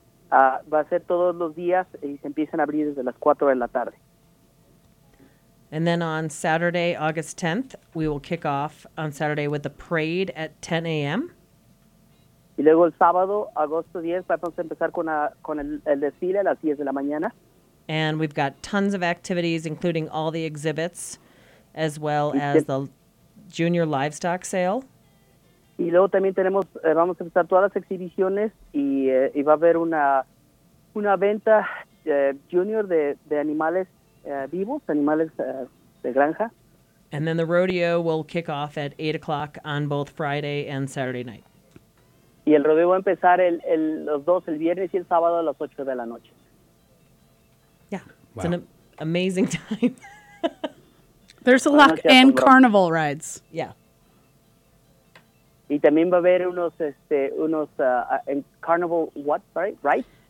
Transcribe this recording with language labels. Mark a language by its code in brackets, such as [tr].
[es] Va a ser todos los días y se empiezan a abrir desde las 4 de la tarde. [en] And then on Saturday, August 10th, we will kick off on Saturday with the parade at 10 a.m. [es] Y luego el sábado, agosto 10, vamos a empezar con el desfile a las 10 de la mañana. [en] And we've got tons of activities, including all the exhibits, as well as the junior livestock sale. [es] Y luego también tenemos, vamos a empezar todas las exhibiciones y va a haber una venta junior de animales vivos, animales de granja. [en] And then the rodeo will kick off at 8 o'clock on both Friday and Saturday night. [es] Y el rodeo va a empezar el viernes y el sábado a las 8 de la noche. [en] Yeah, wow. It's an amazing time. There's a lot, and carnival rides. Yeah. [es] Y también va a haber [en] carnival what? Sorry, rides?